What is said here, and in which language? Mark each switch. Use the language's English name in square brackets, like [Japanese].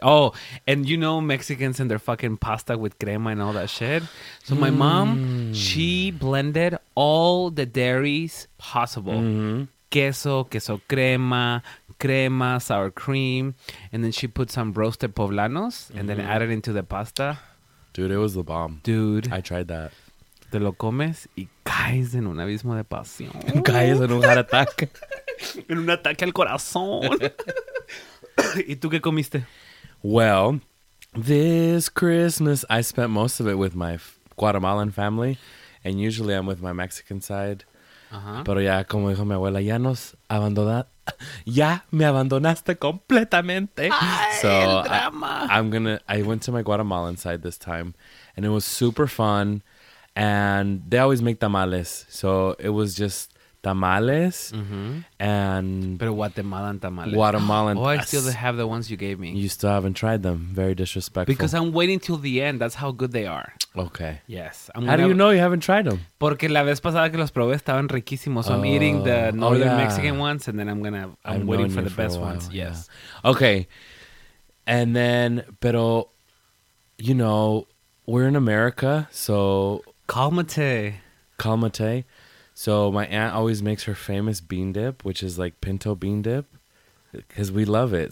[English] Oh, and you know Mexicans and their fucking pasta with crema and all that shit? So my mom, she blended all the dairies possible. Mm-hmm. [Spanish] Queso, queso crema, [English] sour cream. And then she put some roasted poblanos mm-hmm. and then added into the pasta. Dude, it was the bomb. Dude. I tried that. [Spanish] Te lo comes y caes en un abismo de pasión. Caes en un [English] heart attack. [Spanish] En un ataque al corazón. ¿Y tú qué comiste? [English] Well, this Christmas, I spent most of it with my Guatemalan family. And usually I'm with my Mexican side. [Spanish] Pero ya, como dijo mi abuela, ya nos abandonaste. Ya me abandonaste completamente. Ay, so el drama. [English] I went to my Guatemalan side this time, and it was super fun. And they always make tamales, so it was just tamales. Mm-hmm. And pero Guatemalan tamales. Guatemalan. Oh, I still have the ones you gave me. You still haven't tried them. Very disrespectful. Because I'm waiting till the end. That's how good they are. Okay. Yes. How do you know you haven't tried them? [Spanish] Porque la vez pasada que los probé estaban riquísimos. [English] So I'm eating the northern Mexican ones, and then I'm waiting for the best ones. Yes. Yeah. Okay. And then, pero, you know, we're in America, so... [Spanish] Calmate. [English] So my aunt always makes her famous bean dip, which is like pinto bean dip, because we love it.